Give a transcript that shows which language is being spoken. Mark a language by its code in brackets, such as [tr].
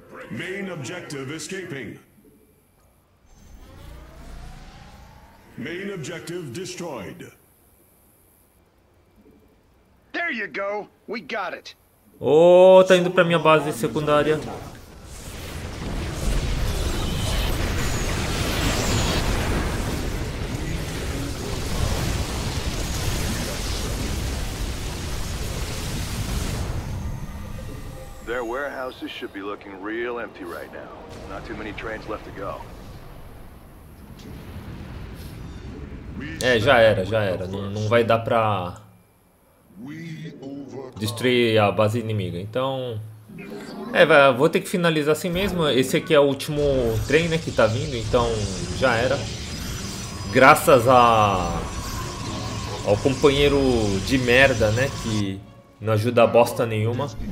[en] Main objective escaping. Main objective destroyed. There you go, we got it. [pt] Oh, tá indo pra minha base secundária. [en] Their warehouses should be looking real empty right now. Not too many trains left to go. [pt] É, já era. Não vai dar pra destruir a base inimiga. Então, é, vou ter que finalizar assim mesmo. Esse aqui é o último trem, né, que tá vindo. Então, já era. Graças ao companheiro de merda, né, que não ajuda a bosta nenhuma.